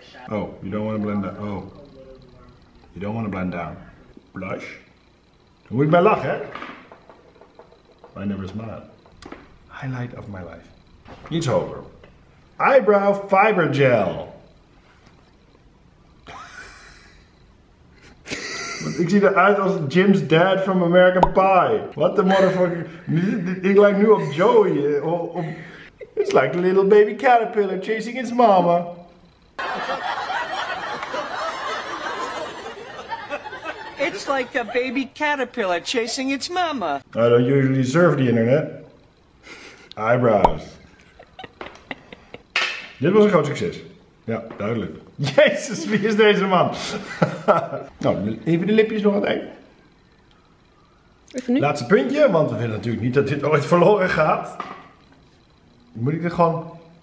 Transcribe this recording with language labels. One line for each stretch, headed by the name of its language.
English: Oh, you don't want to blend down. Oh. You don't want to blend down. Blush?
Dutch: Dan moet ik bij lachen, hè?
English: I never smile. Highlight of my life.
Dutch: Iets hoger.
English: Eyebrow fiber gel.
Dutch: Ik zie eruit als Jim's
English: dad from
Dutch: American Pie.
English: What the motherfucker?
Dutch: Ik lijk nu op Joey.
English: It's like a little baby caterpillar chasing its mama. It's like a baby caterpillar chasing its mama. I don't usually surf the internet. Eyebrows.
Dutch: Dit was een groot succes. Ja, duidelijk. Jezus, wie is deze man? Nou, even de lipjes nog aan het einde. Even nu. Laatste puntje, want we willen natuurlijk niet dat dit ooit verloren gaat. Moet ik er gewoon...